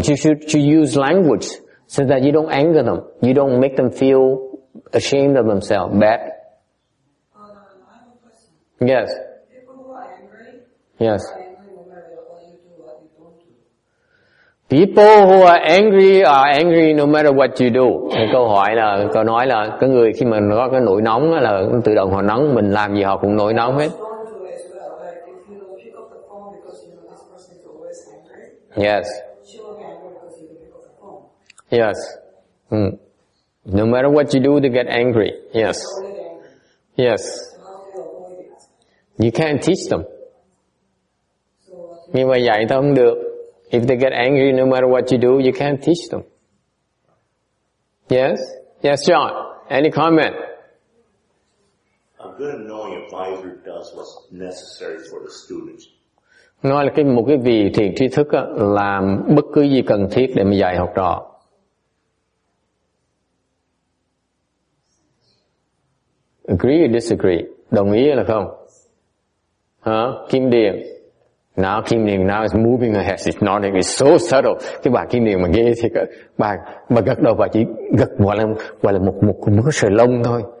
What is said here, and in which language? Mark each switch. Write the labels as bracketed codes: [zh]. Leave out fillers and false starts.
[en] You should use language so that you don't anger them. You don't make them feel ashamed of themselves. Bad? Yes. Yes. People who are angry no matter what you do. [vi] Thì câu hỏi là, câu nói là, cái người khi mà có cái nổi nóng là tự động họ nóng, mình làm gì họ cũng nổi nóng hết. [en] Yes. Yes. Mm. No matter what you do, they get angry. Yes. Yes. You can't teach them. [vi] Nhưng mà dạy tao không được. [en] If they get angry, no matter what you do, you can't teach them. Yes? Yes, John. Any comment? A good knowing advisor does what's necessary for the students. [vi] Nói là một cái vị thiền tri thức làm bất cứ gì cần thiết để mà dạy học trò. [en] Agree or disagree? [vi] Đồng ý là không? Hả? Kim Điền. [en] Now Kim Điền now is moving her head, it's nodding, it's so subtle. [vi] Cái bà Kim Điền mà ghê thiệt á. Bà gật đầu, bà chỉ gật gọi là một cái sợi lông thôi.